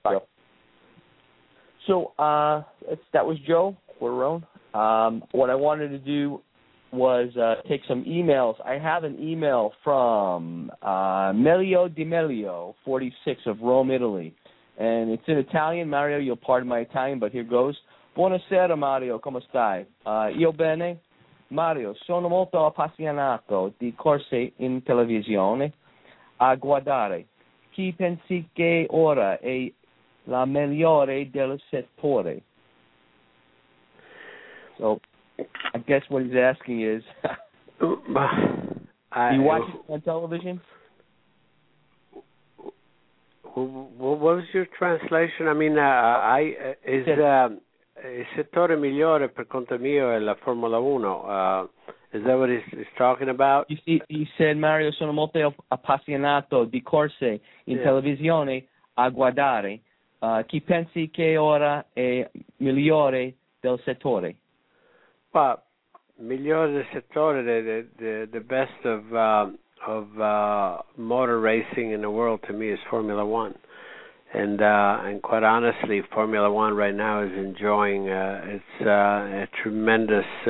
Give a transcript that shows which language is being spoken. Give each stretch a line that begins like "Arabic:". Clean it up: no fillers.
English: Bye. So that was Joe Quartarone. What I wanted to do was take some emails. I have an email from Melio Di Melio, 46, of Rome, Italy. And it's in Italian. Mario, you'll pardon my Italian, but here goes.
Italian: Buonasera, Mario. Come stai? Io bene? Mario, sono molto appassionato di corse in televisione. A guardare. Chi pensi che ora è la migliore del settore?
English: So, I guess what he's asking is, do you watch it on television? What was your translation? I mean,
Italian: il settore migliore per conto mio è la Formula 1.
English: Is that what he's talking about? He said,
Italian: Mario, sono molto appassionato di corse in televisione a guardare. Chi pensi che ora è migliore del settore?
English: Well,
Italian: migliore del settore,
English: the best of motor racing in the world to me is Formula One, and quite honestly, Formula One right now is enjoying it's a tremendous